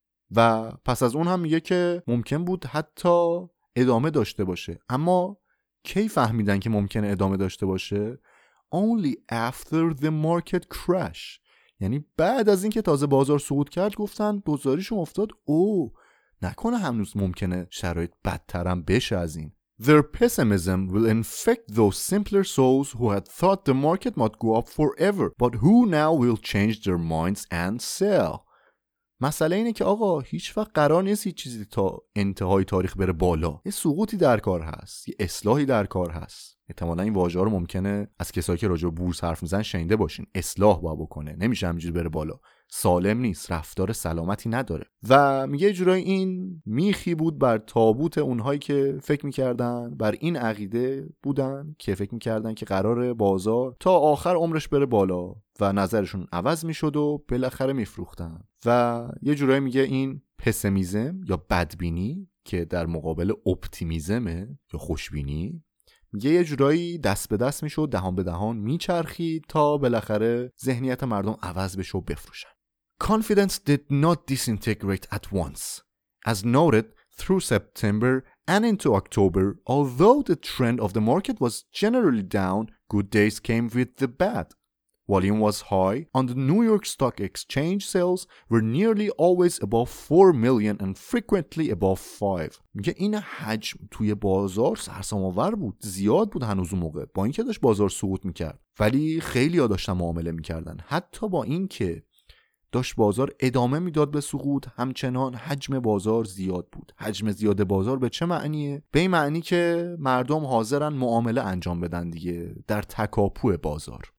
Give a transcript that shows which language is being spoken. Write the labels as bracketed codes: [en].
[fa] و پس از اون هم میگه که ممکن بود حتی ادامه داشته باشه. اما کی فهمیدن که ممکنه ادامه داشته باشه؟ [en] Only after the market crash. [fa] یعنی بعد از اینکه تازه بازار سقوط کرد گفتن گزارشم افتاد، او نکنه هنوز ممکنه شرایط بدتر هم بشه از این. [en] Their pessimism will infect those simpler souls who had thought the market might go up forever, but who now will change their minds and sell. [fa] مسئله اینه که آقا هیچ وقت قرار نیست هیچ چیزی تا انتهای تاریخ بره بالا. یه سقوطی در کار هست، یه اصلاحی در کار هست. احتمالاً این واژه رو ممکنه از کسایی که راجع به بورس حرف میزنن شنیده باشین. اصلاح باید بکنه، نمیشه همینجوری بره بالا، سالم نیست، رفتار سلامتی نداره. و میگه جورای این میخی بود بر تابوت اونهایی که فکر میکردن بر این عقیده بودن، که فکر میکردن که قراره بازار تا آخر عمرش بره بالا، و نظرشون عوض میشد و بالاخره میفروختن. و یه جورای میگه این پسیمیزم یا بدبینی که در مقابل اپتیمیزمه یا خوشبینی، یه جورایی دست به دست میشه و دهان به دهان میچرخی تا بالاخره ذهنیت مردم عوض بشه و بفروشن. [en] Confidence did not disintegrate at once. As noted, through September and into October, although the trend of the market was generally down, good days came with the bad. Volume was high, and the New York Stock Exchange sales were nearly always above 4 million and frequently above 5. [fa] میگه این حجم توی بازار سرسام‌آور بود، زیاد بود هنوز اون موقع، با اینکه داشت بازار سقوط میکرد، ولی خیلی‌ها داشتن معامله میکردن. حتی با اینکه داشت بازار ادامه میداد به سقوط، همچنان حجم بازار زیاد بود. حجم زیاد بازار به چه معنیه؟ به این معنی که مردم حاضرن معامله انجام بدن دیگه، در تکاپو بازار.